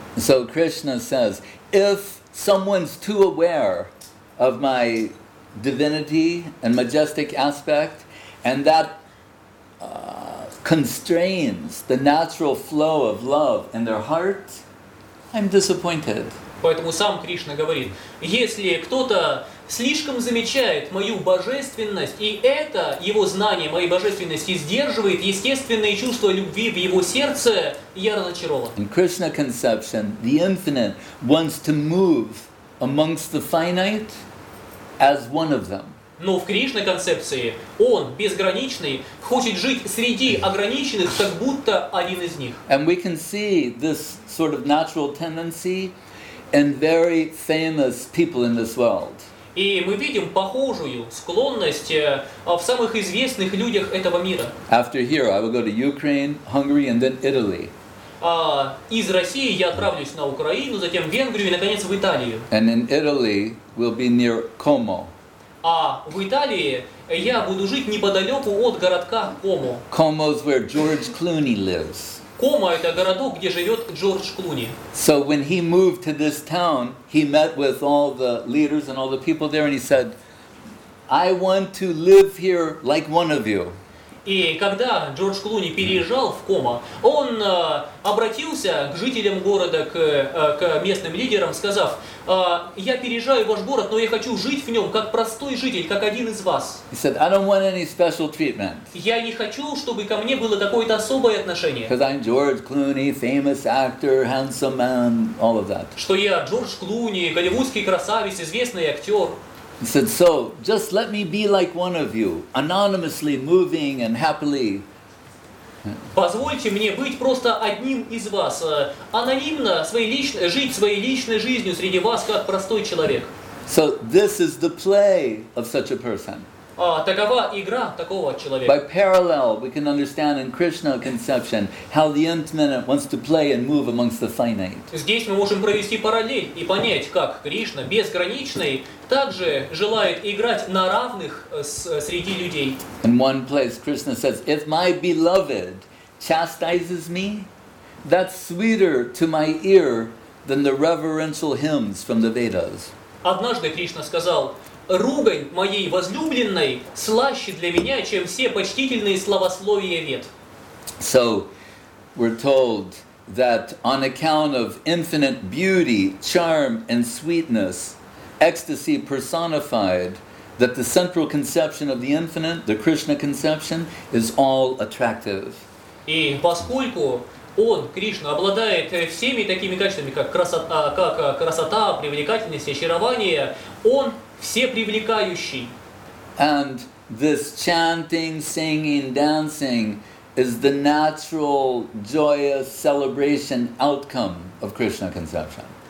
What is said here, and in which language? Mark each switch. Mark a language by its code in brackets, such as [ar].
[en] So Krishna says, if someone's too aware of my divinity and majestic aspect, and that constrains the natural flow of love in their heart, I'm disappointed. [ru] Поэтому сам Кришна говорит, если кто-то слишком замечает мою божественность, и это его знание моей божественности сдерживает естественные чувства любви в его сердце, я разочарован. [en] In Krishna conception, the infinite wants to move amongst the finite as one of them. [ru] Но в Кришна концепции он, безграничный, хочет жить среди ограниченных, как будто один из них. [en] And we can see this sort of natural tendency and very famous people in this world. [ru] И мы видим похожую склонность в самых известных людях этого мира. [en] After here, I will go to Ukraine, Hungary, and then Italy. [ru] Из России я отправлюсь на Украину, затем в Венгрию и, наконец, в Италию. [en] And in Italy, we'll be near Como. [ru] А в Италии я буду жить неподалеку от городка Como. [en] Como's where George Clooney lives. [ru] Como — это городок, где живет Джордж Клуни. [en] So when he moved to this town, he met with all the leaders and all the people there, and he said, I want to live here like one of you. [ru] И когда Джордж Клуни переезжал в Como, он обратился к жителям города, к местным лидерам, сказав, я переезжаю в ваш город, но я хочу жить в нем как простой житель, как один из вас. [en] He said, I don't want any special treatment. [ru] Я не хочу, чтобы ко мне было какое-то особое отношение. [en] Because I'm George Clooney, famous actor, handsome man, all of that. [ru] Что я Джордж Клуни, голливудский красавец, известный актер. [en] He said, so, just let me be like one of you, anonymously moving and happily. [ru] Позвольте мне быть просто одним из вас, анонимно жить своей личной жизнью среди вас, как простой человек. [en] So, this is the play of such a person. [ru] Такова игра такого человека. [en] By parallel, we can understand in Krishna conception how the infinite wants to play and move amongst the finite. [ru] Здесь мы можем провести параллель и понять, как Кришна, безграничный, также желает играть на равных среди людей. [en] In one place, Krishna says, if my beloved chastises me, that's sweeter to my ear than the reverential hymns from the Vedas. [ru] Однажды Кришна сказал, ругань моей возлюбленной слаще для меня, чем все почтительные словословия вед. [en] So, we're told that on account of infinite beauty, charm, and sweetness, ecstasy personified, that the central conception of the infinite, the Krishna conception, is all attractive. [ru] И поскольку Он, Кришна, обладает всеми такими качествами, как красота, привлекательность, очарование, Он всепривлекающий. [en] And this chanting, singing, dancing is the natural, joyous celebration outcome of Krishna conception.